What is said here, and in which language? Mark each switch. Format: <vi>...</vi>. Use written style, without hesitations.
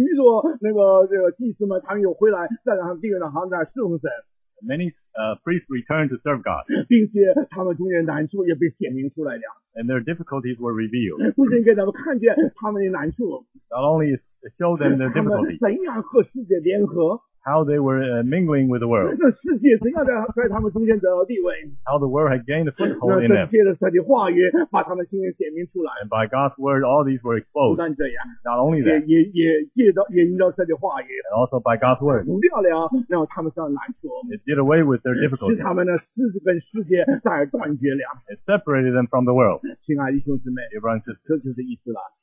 <zh>说那个祭司们，他们又回来，站在他们地上，好在侍奉神。</zh> <en>Many priests returned to serve God，</en> <zh>并且他们中间难处也被显明出来了。</zh> <en>And their difficulties were revealed，</en> <zh>不仅给他们看见他们的难处</zh> <en>，Not only show them their difficulties，</en> <zh>怎样和世界联合</zh> <en>？How they were mingling with the world，</en> <zh>那世界怎样在他们中间得到地位</zh> <en>？How the world had gained a foothold in them，</en> <zh>那借着神的话语把他们心里显明出来。</zh> <en>And by God's word， all these were exposed。</en> <zh>不但这样</zh> <en>，Not only that，</en> <zh>也引导神的话语</zh> <en>，And also by God's word，</en> <zh>除掉了让他们上难处</zh> <en>，It did away with their difficulties，</en> <zh>使他们呢跟世界再断绝了</zh> <en>，It separated them from the world。</en> <zh>亲爱的弟兄姊妹，这就是伊斯兰。</zh>